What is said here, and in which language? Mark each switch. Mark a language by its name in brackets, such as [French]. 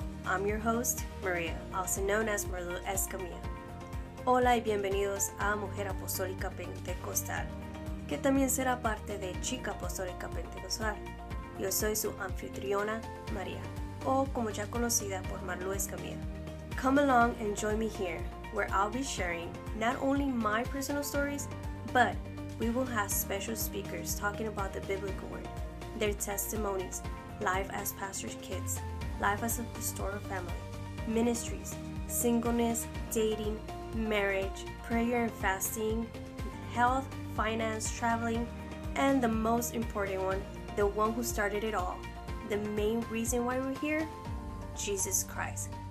[English] I'm your host, Maria, also known as Merlu Escamilla. [Spanish] Hola y bienvenidos a Mujer Apostólica Pentecostal, que también será parte de Chica Apostólica Pentecostal. Yo soy su anfitriona, Maria, o como ya conocida por Merlu Escamilla. [English] Come along and join me here, where I'll be sharing not only my personal stories, but we will have special speakers talking about the biblical word, their testimonies, life as pastor's kids, life as a pastoral family, ministries, singleness, dating, marriage, prayer and fasting, health, finance, traveling, and the most important one, the one who started it all, the main reason why we're here, Jesus Christ.